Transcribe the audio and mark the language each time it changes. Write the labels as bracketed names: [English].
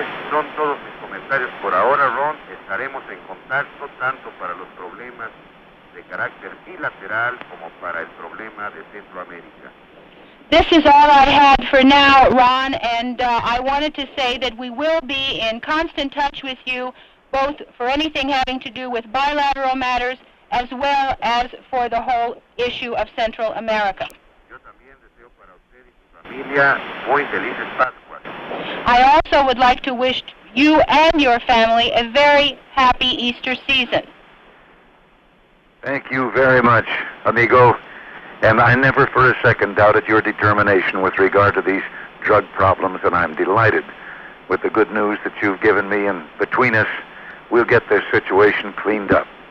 [Spanish] Son todos mis comentarios por ahora, Ron. Estaremos en contacto tanto para los problemas de carácter bilateral como para el problema de Centroamérica. [English] This is all I had for now, Ron, and I wanted to say that we will be in constant touch with you, both for anything having to do with bilateral matters as well as for the whole issue of Central America. [Spanish] Yo también deseo para usted y su familia muy felices Pascuas. [English] I also would like to wish you and your family a very happy Easter season. Thank you very much, amigo. And I never for a second doubted your determination with regard to these drug problems, and I'm delighted with the good news that you've given me, and between us, we'll get this situation cleaned up.